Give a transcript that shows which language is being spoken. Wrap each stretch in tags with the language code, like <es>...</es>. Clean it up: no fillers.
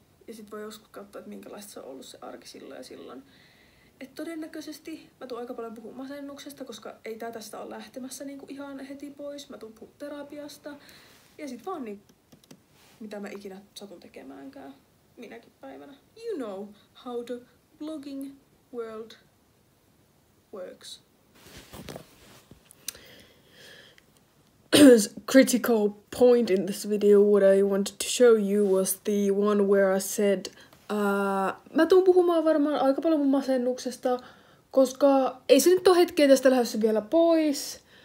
<fi>Ja sit voi joskus katsoa, että minkälaista se on ollut se arki silloin ja silloin. Et todennäköisesti mä tuun aika paljon puhun masennuksesta, koska ei tää tästä ole lähtemässä niinku ihan heti pois. Mä tuun puhun terapiasta. Ja sit vaan niin, mitä mä ikinä satun tekemäänkään minäkin päivänä.</fi> <en>You know how the blogging world works. Critical point in this video, what I wanted to show you was the one where I said</en> <fi>mä tuun puhumaan varmaan aika paljon mun masennuksesta, koska ei se nyt ole hetkeä tästä lähdössä vielä pois.</fi>